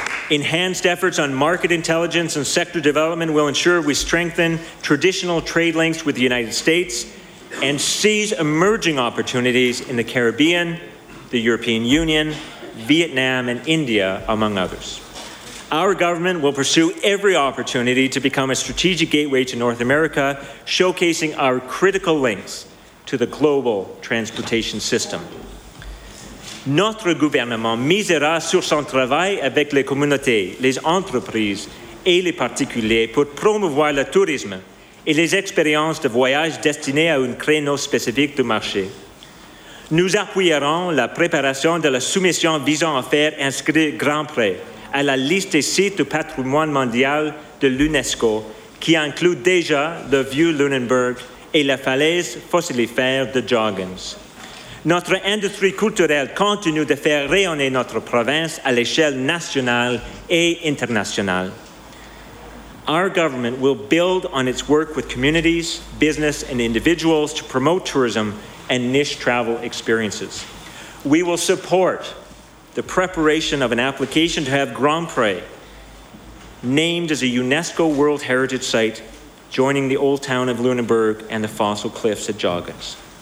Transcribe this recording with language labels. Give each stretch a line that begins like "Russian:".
English: Enhanced efforts on market intelligence and sector development will ensure we strengthen traditional trade links with the United States and seize emerging opportunities in the Caribbean, the European Union, Vietnam, and India, among others. Our government will pursue every opportunity to become a strategic gateway to North America, showcasing our critical links to the global transportation system.
French: Notre gouvernement misera sur son travail avec les communautés, les entreprises et les particuliers pour promouvoir le tourisme et les expériences de voyage destinées à un créneau spécifique du marché. Nous appuierons la préparation de la soumission visant à faire inscrire Grand Pré à la liste des sites du patrimoine mondial de l'UNESCO, qui inclut déjà le vieux Lunenburg et la falaise fossilifère de Jorgens. Notre industrie culturelle continue de faire rayonner notre province à l'échelle nationale et internationale.
English: Our government will build on its work with communities, business, and individuals to promote tourism and niche travel experiences. We will support the preparation of an application to have Grand Pré named as a UNESCO World Heritage Site, joining the old town of Lunenburg and the fossil cliffs at Jorgens.